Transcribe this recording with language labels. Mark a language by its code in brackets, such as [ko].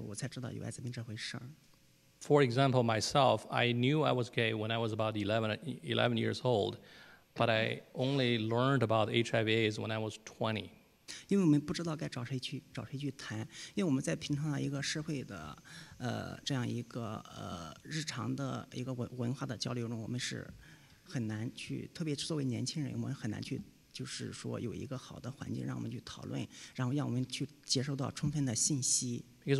[zh] 就拿我自己来说，我可能在我大概十一二岁的时候，我就知道我是一个同性恋，但是确实在我二十多岁的时候，我才知道有艾滋病这回事儿。 [en] For example, myself, I knew I was gay when I was about 11 years old, but I only learned about HIV/AIDS when I was 20. [zh] 因为我们不知道该找谁去谈，因为我们在平常的一个社会的，这样一个日常的一个文化的交流中，我们是很难去，特别作为年轻人，我们很难去，就是说有一个好的环境让我们去讨论，然后让我们去接受到充分的信息。 [en] Because